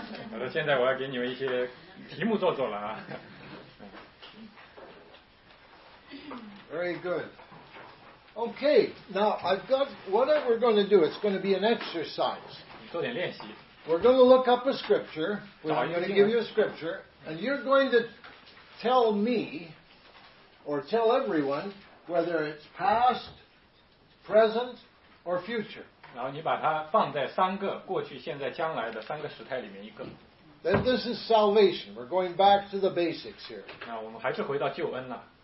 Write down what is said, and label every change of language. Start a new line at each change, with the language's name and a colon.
Chinese: 好的，现在我要给你们一些题目做做了啊。
English: Very good. Okay, now I've got what we're going to do. It's going to be an exercise.
Chinese: 做点练习。
English: We're going to look up a scripture. I'm going to give you a scripture. And you're going to tell me, or tell everyone, whether it's past, present, or future.
Chinese: 然后你把它放在三个过去、现在、将来的三个时态里面一个。
English: Then this is salvation. We're going back to the basics here.
Chinese: 那我们还是回到救恩了。